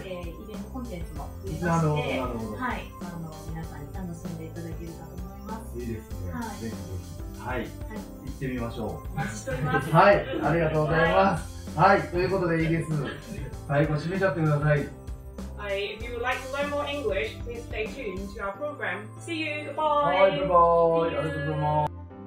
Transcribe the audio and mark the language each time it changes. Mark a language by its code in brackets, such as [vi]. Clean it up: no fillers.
[ja] イベントコンテンツも増えまして、はい、あの皆さんに楽しんでいただけるかと思います。いいですね、はい、ぜひぜひ、はい、はい、行ってみましょう。待ちしております。はい、ありがとうございます。はい、はい、ということでいいです。最後締めちゃってください。 [en] If you would like to learn more English, please stay tuned to our program. See you, goodbye! [ja] はい、goodbye! ありがとうございます。